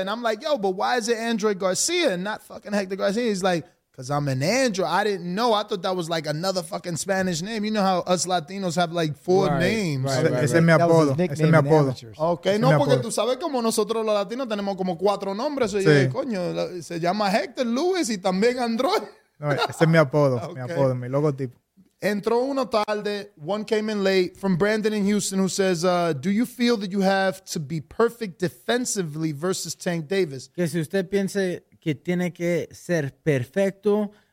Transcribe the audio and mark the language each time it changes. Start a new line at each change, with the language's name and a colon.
English: And I'm like, yo, but why is it Android García and not fucking Hector García? He's like, because I'm an android. I didn't know. I thought that was like another fucking Spanish name. You know how us Latinos have like four names. Right.
Spanish: Ese es mi apodo. Ese es mi apodo.
English: Okay.
Spanish: No, porque tú sabes como nosotros los latinos tenemos como cuatro nombres. Sí. Oye, coño, se llama Hector Lewis y también Android. No, ese es mi apodo. Okay. Mi apodo, mi logotipo. Entró uno tarde.
English: One came in late from Brandon in Houston who says, do you feel that you have to be perfect defensively versus Tank Davis?
Spanish: Que si usted piense que tiene que ser perfecto